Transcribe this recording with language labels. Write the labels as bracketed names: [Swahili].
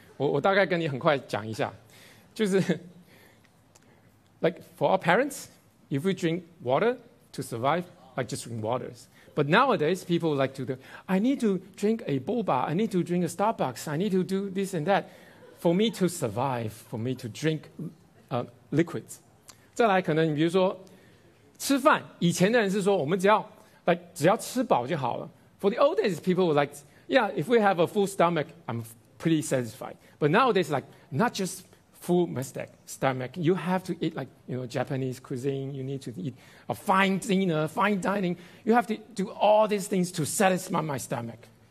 [Chinese] 我大概跟你很快讲一下，就是 [English] like for our parents, if we drink water to survive, like just drink waters. But nowadays, people like to do, I need to drink a boba, I need to drink a Starbucks, I need to do this and that for me to survive, for me to drink liquids. [Chinese] 再来可能你比如说吃饭，以前的人是说我们只要 like, 只要吃饱就好了。 [English] For the old days, people were like, yeah, if we have a full stomach, I'm pretty satisfied. But nowadays, like, not just full stomach, you have to eat like, you know, Japanese cuisine, you need to eat a fine dinner, fine dining, you have to do all these things to satisfy my stomach.